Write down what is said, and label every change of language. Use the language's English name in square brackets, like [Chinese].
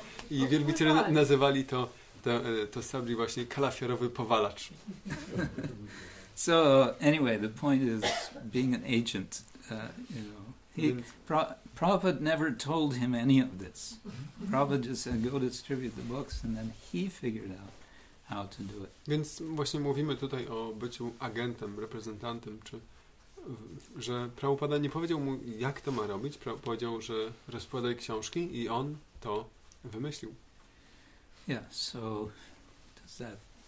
[Polish] I wielbiciele nazywali to sabli właśnie kalafiorowy powalacz. [English] So anyway, the point is being an agent. You know, Prabhupada never told him any of this. Prabhupada just said, go distribute the books, and then he figured out how to do it. [Polish] Więc właśnie mówimy tutaj o byciu agentem, reprezentantem, czy że Prabhupada nie powiedział mu, jak to ma robić, powiedział, że rozkładaj książki i on to wymyślił. [English] Yeah, so does that.